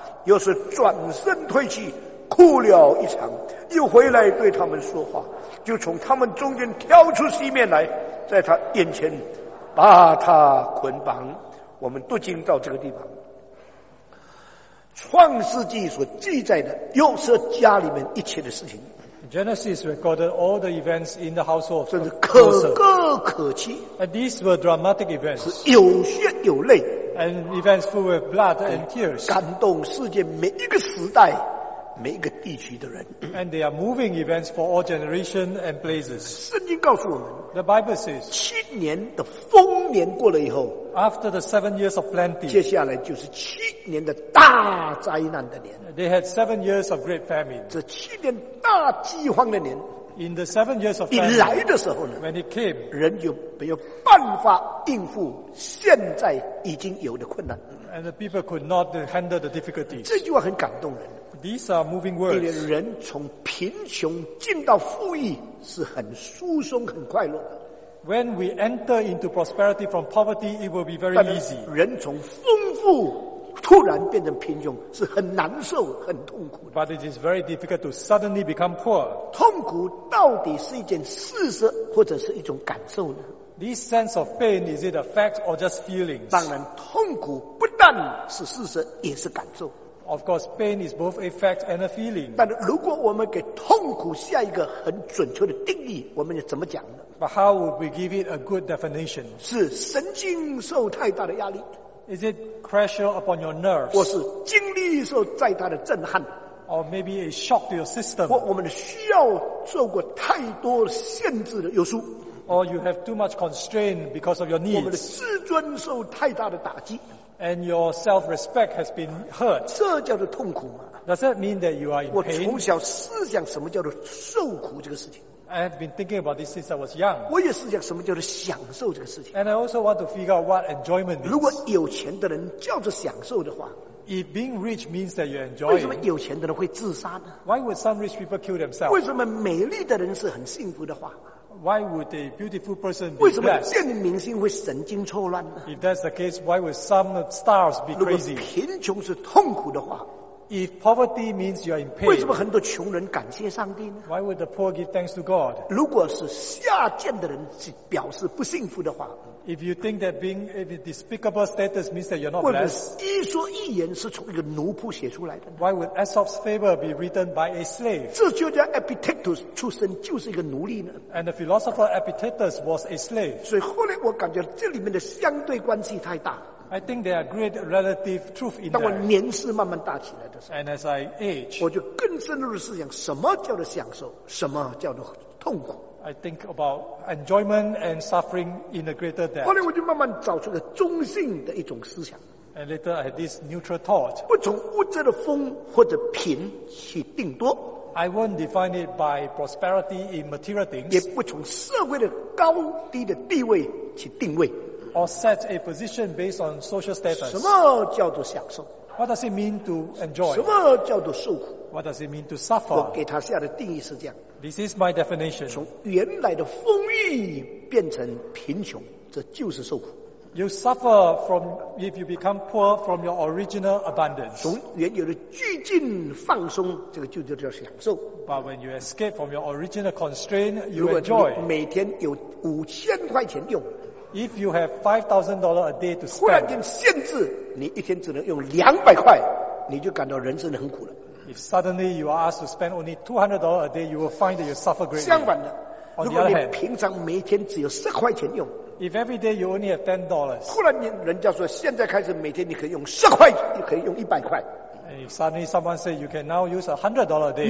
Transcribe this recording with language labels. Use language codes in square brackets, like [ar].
[zh] 又是转身退去，哭了一场，又回来对他们说话，就从他们中间挑出西面来，在他眼前把他捆绑。我们读经到这个地方，创世纪所记载的约瑟家里面一切的事情。 [en] Genesis recorded all the events in the household of Joseph. [zh] 真是可歌可泣。 [en] And these were dramatic events. [zh] 是有血有泪。 [en] And events full of blood and tears. [zh] 感动世界每一个时代每一个地区的人。 [en] And they are moving events for all generation and places. [zh] 圣经告诉我们 [en] ，The Bible says， [zh] 七年的丰年过了以后 [en] ，After the 7 years of plenty， [zh] 接下来就是七年的大灾难的年。 [en] They had 7 years of great famine， [zh] 这七年大饥荒的年。 [en] In the 7 years of famine， [zh] 一来的时候呢 [en] ，When it came， [zh] 人就没有办法应付现在已经有的困难。 [en] And the people could not handle the difficulties。 [zh] 这句话很感动人。 [en] These are moving words。 [zh] 因为人从贫穷进到富裕是很舒松很快乐的。 [en] When we enter into prosperity from poverty, it will be very easy。 [zh] 人从丰富突然变成贫穷是很难受很痛苦的。 [en] But it is very difficult to suddenly become poor。 [zh] 痛苦到底是一件事实或者是一种感受呢？ [en] This sense of pain, is it a fact or just feelings? [zh] 当然痛苦不但是事实也是感受。 [en] Of course, pain is both a fact and a feeling. [zh] 但如果我们给痛苦下一个很准确的定义，我们要怎么讲呢？ [en] But how would we give it a good definition? [zh] 是神经受太大的压力。 [en] Is it pressure upon your nerves? [zh] 或是精力受再大的震撼。 [en] Or maybe a shock to your system. [zh] 或我们需要受过太多限制的约束。 [en] Or you have too much constraint because of your needs. [zh] 我们的自尊受太大的打击。 [en] And your self-respect has been hurt. [zh] 这叫做痛苦吗？ [en] Does that mean that you are in pain? [zh] 我从小思想什么叫做受苦这个事情。 [en] I have been thinking about this since I was young. [zh] 我也思想什么叫做享受这个事情。 [en] And I also want to figure out what enjoyment means. [zh] 如果有钱的人叫做享受的话， [en] If being rich means that you're enjoying, [zh] 为什么有钱的人会自杀呢？ [en] Why would some rich people kill themselves? [zh] 为什么美丽的人是很幸福的话？ [en] Why would a beautiful person be blessed? [zh] 为什么健明星会神经错乱呢？ [en] If that's the case, why would some stars be crazy? [zh] 如果贫穷是痛苦的话， [en] If poverty means you are in pain, [zh] 为什么很多穷人感谢上帝呢？ [en] Why would the poor give thanks to God? [zh] 如果是下贱的人表示不幸福的话， [en] If you think that being a despicable status means that you're not blessed, [zh] 为什么《伊索寓言》是从一个奴仆写出来的呢？ [en] Why would Aesop's Fable be written by a slave? [zh] 这就叫 Epictetus 出身就是一个奴隶呢？ [en] And the philosopher Epictetus was a slave. [zh] 所以后来我感觉这里面的相对关系太大。 [en] I think there are great relative truth in that. [zh] 当我年事慢慢大起来的时候， [en] And as I age, [zh] 我就更深入的思想什么叫做享受，什么叫做痛苦。 [en] I think about enjoyment and suffering in a greater depth. [zh] 后来我就慢慢找出个中性的一种思想。 [en] And later I had this neutral thought. [zh] 不从物质的丰或者贫去定夺。 [en] I won't define it by prosperity in material things. [zh] 也不从社会的高低的地位去定位。 [en] Or set a position based on social status. [zh] 什么叫做享受？ [en] What does it mean to enjoy? [zh] 什么叫做受苦？ [en] What does it mean to suffer? [zh] 我给他下的定义是这样。 [en] This is my definition. [zh] 从原来的丰裕变成贫穷，这就是受苦。 [en] You suffer from if you become poor from your original abundance. [zh] 从原有的拘禁放松，这个就叫享受。 [en] But when you escape from your original constraint, you enjoy. [zh] 如果你每天有5000块钱用。 [en] If you have $5,000 a day to spend, [zh] 忽然间限制你一天只能用200块，你就感到人生很苦了。 [en] If suddenly you are asked to spend only $200 a day, you will find that you suffer greatly. [zh] 相反的，如果你平常每天只有10块钱用， [en] If every day you only have $10, [zh] 忽然间人家说现在开始每天你可以用10块，你可以用100块。 [en] And if suddenly someone says you can now use $100 a day,